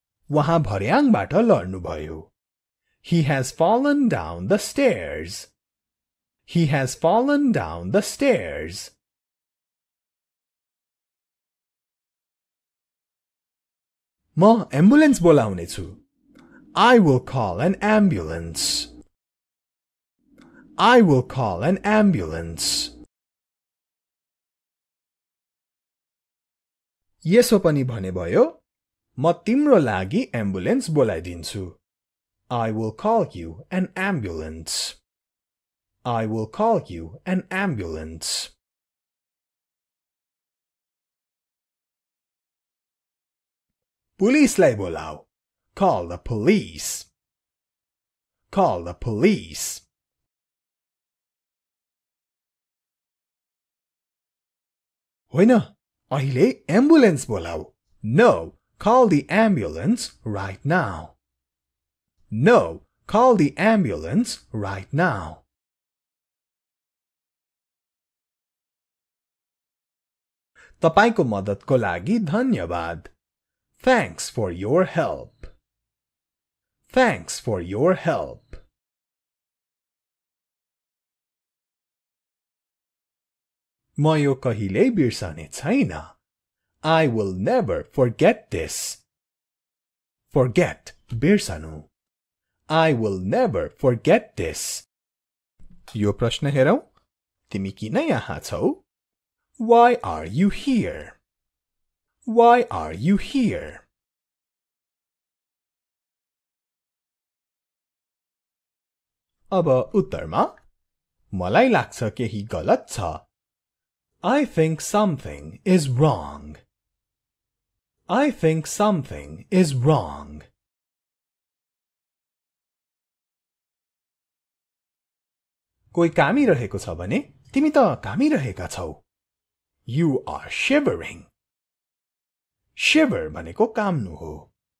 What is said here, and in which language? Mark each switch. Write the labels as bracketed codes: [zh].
[ne] वहाँ भर्याङबाट लड्नु भयो. [en] He has fallen down the stairs. He has fallen down the stairs. [ne] म ambulance बोलाउनेछु. [en] I will call an ambulance. I will call an ambulance. [ne] यसो पनि भने भयो, म तिम्रो लागि ambulance बोलाइदिन्छु. [en] I will call you an ambulance. I will call you an ambulance. [ne] पुलिसलाई बोलाऊ. [en] Call the police. Call the police. [ne] होइन, अहिले एम्बुलेन्स बोलाऊ. [en] No, call the ambulance right now. No, call the ambulance right now. [ne] तपाईको मद्दतको लागि धन्यवाद. [en] Thanks for your help. Thanks for your help. [ne] म यो कहिले बिर्सने छैन. [en] I will never forget this. [ne] Forget, बिर्सनु. [en] I will never forget this. [ne] यो प्रश्न हेरौ. तिमी किन यहाँ छौ? [en] Why are you here? Why are you here? [ne] अब उत्तरमा, मलाई लाग्छ केही गलत छ. [en] I think something is wrong. I think something is wrong. [ne] कोही कामिरहेको छ भने, तिमी त कामिरहेका छौ. [en] You are shivering. [ne] Shiver भनेको काम्नु हो.